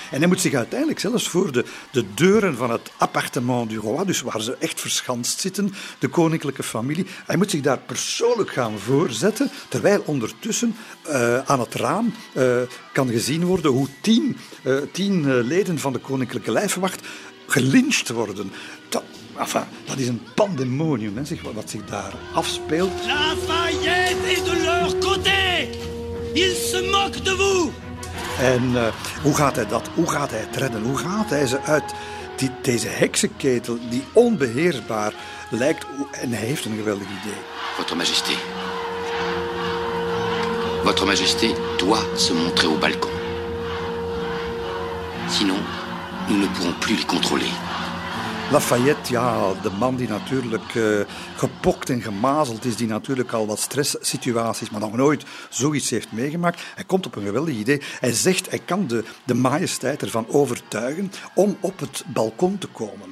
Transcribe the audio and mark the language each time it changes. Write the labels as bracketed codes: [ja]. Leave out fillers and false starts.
[nl] En hij moet zich uiteindelijk zelfs voor de deuren van het appartement du roi, dus waar ze echt verschanst zitten, de koninklijke familie, hij moet zich daar persoonlijk gaan voorzetten, terwijl ondertussen aan het raam kan gezien worden hoe tien leden van de koninklijke lijfwacht gelyncht worden. Dat is een pandemonium, hè, wat zich daar afspeelt. [fr] Lafayette est de leur côté. Ils se moquent de vous. [nl] En hoe gaat hij dat? Hoe gaat hij het redden? Hoe gaat hij ze uit deze heksenketel die onbeheersbaar lijkt? En hij heeft een geweldig idee. [fr] Votre majesté. Votre majesté doit se montrer au balcon. Sinon, nous ne pourrons plus les contrôler. [nl] Lafayette, ja, de man die natuurlijk gepokt en gemazeld is, die natuurlijk al wat stresssituaties, maar nog nooit zoiets heeft meegemaakt. Hij komt op een geweldig idee. Hij zegt, hij kan de majesteit ervan overtuigen om op het balkon te komen.